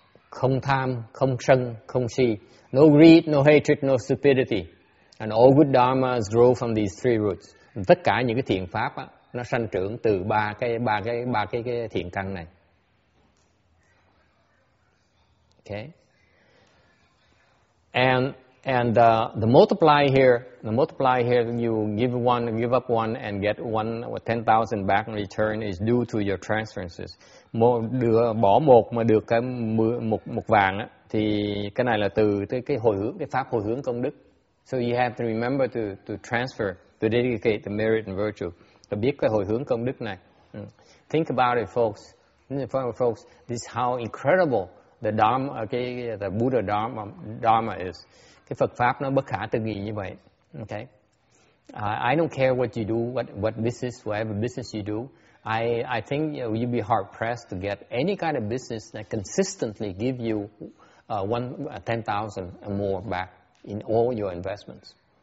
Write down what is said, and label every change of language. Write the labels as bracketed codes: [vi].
[vi] Không tham, không sân, không si. [en] No greed, no hatred, no stupidity. And all good dharmas grow from these three roots. [vi] Tất cả những cái thiện pháp á, nó sanh trưởng từ ba cái thiện căn này. [en] Okay. And the multiply here, you give one, give up one, and get one or 10,000 back in return is due to your transferences. [vi] Bỏ một mà được cái một vàng á, thì cái này là từ cái hồi hướng, cái pháp hồi hướng công đức. [en] So you have to remember to transfer, to dedicate the merit and virtue. [vi] Ta biết cái hồi hướng công đức này. [en] Think about it, folks. This is how incredible the Dharma, the Buddha Dharma is. [vi] Cái Phật pháp nó bất khả tư nghị như vậy. [en] Okay. I don't care what you do, what business, whatever business you do. I think you know, you'd be hard pressed to get any kind of business that consistently give you 10,000 and more back in all your investments.